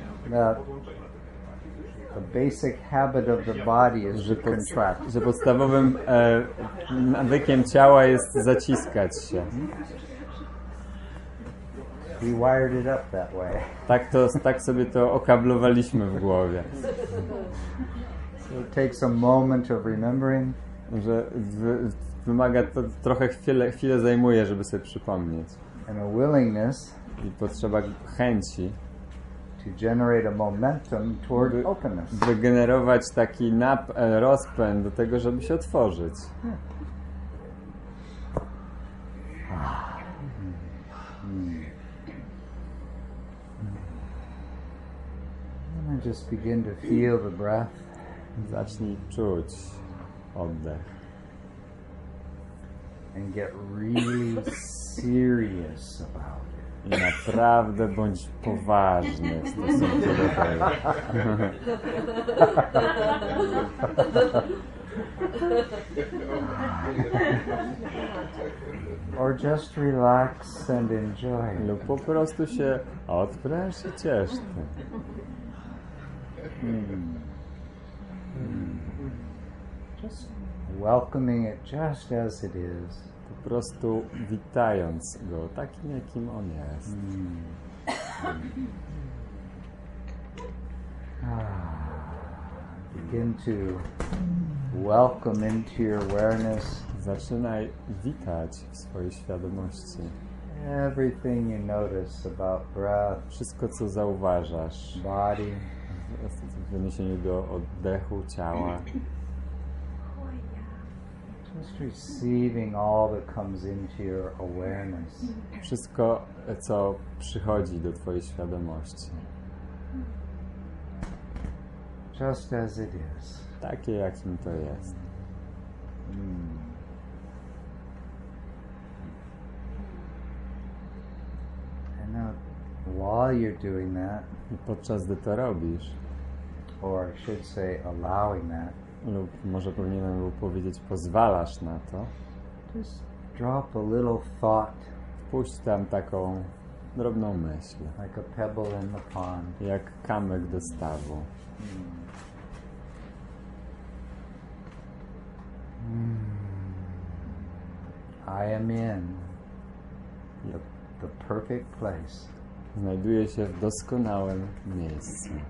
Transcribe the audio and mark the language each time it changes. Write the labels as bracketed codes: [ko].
[en] That the basic habit of the body is to contract. [pl] Że podstawowym nawykiem ciała jest zaciskać się. [en] We wired it up that way. [pl] Tak sobie to okablowaliśmy w głowie. [en] It takes a moment of remembering. [pl] Że wymaga to trochę chwilę zajmuje, żeby sobie przypomnieć. [en] And a willingness. [pl] I potrzeba chęci. [en] To generate a momentum toward openness. [pl] Wygenerować taki rozpęd do tego, żeby się otworzyć. [en] And then just begin to feel the breath. [pl] Zacznij czuć oddech. [en] And get really serious about it. [pl] I naprawdę bądź poważny w stosunku do tego. [en] Or just relax and enjoy. [pl] Lub po prostu się odpręż i ciesz ty. [en] Just welcoming it just as it is. [pl] Po prostu witając go takim, jakim on jest. [en] Begin to welcome into your awareness. [pl] Zaczynaj witać w swojej świadomości. [en] Everything you notice about breath. [pl] Wszystko, co zauważasz. [en] Body. [pl] W odniesieniu do oddechu ciała. [en] Just receiving all that comes into your awareness. [pl] Wszystko, co przychodzi do twojej świadomości. [en] Just as it is. [pl] Takie, jakim to jest. [en] And now, while you're doing that. [pl] I podczas gdy to robisz. [en] Or I should say, allowing that. [pl] Lub może powinienem był powiedzieć, pozwalasz na to. [en] Just drop a little thought. [pl] Wpuść tam taką drobną myśl. [en] Like a pebble in the pond. [pl] Jak kamyk do stawu. [en] I am in the perfect place. [pl] Znajduje się w doskonałym miejscu.